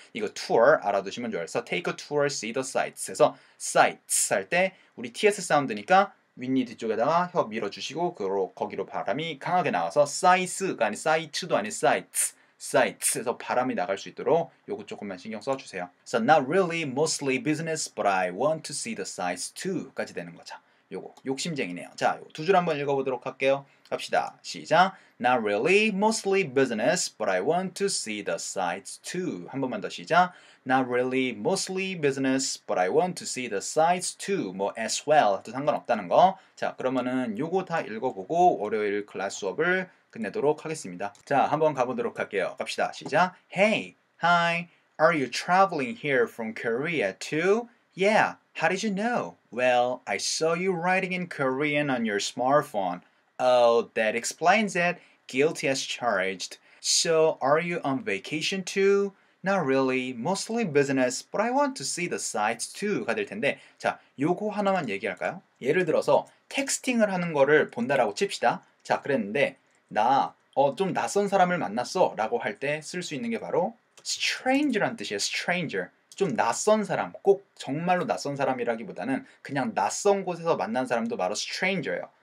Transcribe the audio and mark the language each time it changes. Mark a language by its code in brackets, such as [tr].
[ko] 이거 tour 알아두시면 좋아요 그래서 [en] take a tour see the sights [ko] 해서 sights 할 때 우리 ts 사운드니까 윗니 뒤쪽에다가 혀 밀어주시고 그로 거기로 바람이 강하게 나와서 sights가 아닌 sights도 아닌 sights sights에서 바람이 나갈 수 있도록 요거 조금만 신경 써주세요 [en] So not really, mostly business, but I want to see the sights too [ko] 까지 되는 거죠 요거 욕심쟁이네요. 자, 요 두 줄 한번 읽어보도록 할게요. 갑시다. 시작. [en] Not really, mostly business, but I want to see the sights too. [ko] 한 번만 더 시작. [en] Not really, mostly business, but I want to see the sights too. [ko] 뭐 as well 또 상관없다는 거. 자, 그러면은 요거 다 읽어보고 월요일 클래스 수업을 끝내도록 하겠습니다. 자, 한번 가보도록 할게요. 갑시다. 시작. [en] Hey, hi, are you traveling here from Korea too? Yeah, how did you know? Well, I saw you writing in Korean on your smartphone. Oh, that explains it. Guilty as charged. So, are you on vacation too? Not really. Mostly business, but I want to see the sights too. [ko] 가 될 텐데, 자, 요거 하나만 얘기할까요? 예를 들어서 텍스팅을 하는 거를 본다라고 칩시다. 자, 그랬는데 나 좀 낯선 사람을 만났어 라고 할 때 쓸 수 있는 게 바로 stranger란 뜻이에요. Stranger. 좀 낯선 사람, 꼭 정말로 낯선 사람이라기보다는 그냥 낯선 곳에서 만난 사람도 바로 stranger예요.